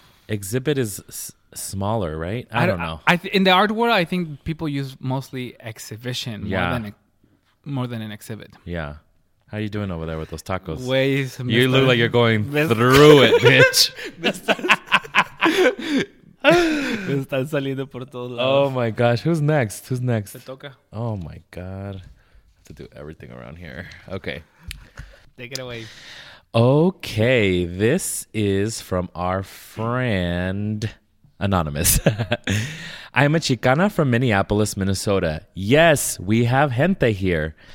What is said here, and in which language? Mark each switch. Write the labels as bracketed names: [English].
[English] Exhibit is smaller, right? I don't know. In the art world, I think people use mostly exhibition more than an exhibit. Yeah. How are you doing over there with those tacos? Ways, you look like you're going through it, bitch. [Spanish] Me están saliendo por todos lados. [English] Oh my gosh, who's next? [Spanish] Se toca. [English] Oh my god, I have to do everything around here. Okay, take it away. Okay, this is from our friend Anonymous. I am a Chicana from Minneapolis, Minnesota. Yes, we have gente here.